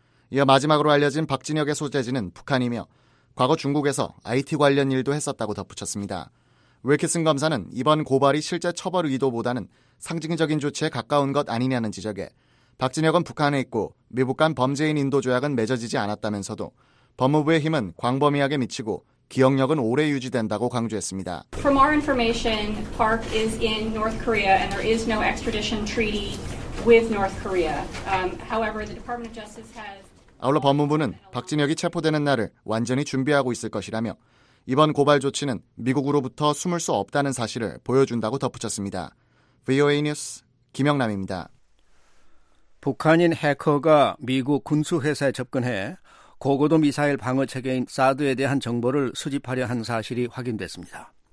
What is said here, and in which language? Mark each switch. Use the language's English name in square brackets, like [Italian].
[Korean] 이어 마지막으로 알려진 박진혁의 소재지는 북한이며 과거 중국에서 IT 관련 일도 했었다고 덧붙였습니다. 윌키슨 검사는 이번 고발이 실제 처벌 의도보다는 상징적인 조치에 가까운 것 아니냐는 지적에 박진혁은 북한에 있고 미국 간 범죄인 인도 조약은 맺어지지 않았다면서도 법무부의 힘은 광범위하게 미치고 기억력은 오래 유지된다고 강조했습니다. [English] From our information, Park is in North Korea and there is no extradition treaty with North Korea. However, the Department of Justice has [Korean] 아울러 법무부는 박진혁이 체포되는 날을 완전히 준비하고 있을 것이라며 이번 고발 조치는 미국으로부터 숨을 수 없다는 사실을 보여준다고 덧붙였습니다. VOA 뉴스 김영남입니다. 북한인 해커가 미국 군수 회사에 접근해 고고도 미사일 방어체계인 사드에 대한 정보를 수집하려 한 사실이 확인됐습니다.